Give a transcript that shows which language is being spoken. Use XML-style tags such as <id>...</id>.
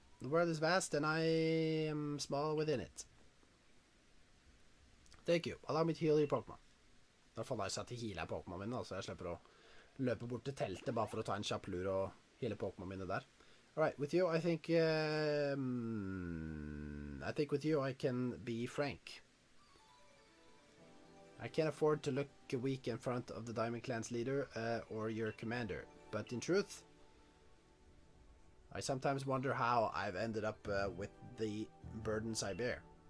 <en>The world is vast, and I am small within it. Thank you. Allow me to heal your Pokémon.</en> <no>Det er for nice at jeg healer Pokémon min, så jeg slipper å løpe bort til teltet bare for å ta en kjapp lur og... Hele Pokémon mine der.</no> <en>Alright, with you, I think with you, I can be frank. I can't afford to look weak in front of the Diamond Clan's leader or your commander. But in truth, I sometimes wonder how I've ended up with the burdens I bear.</en>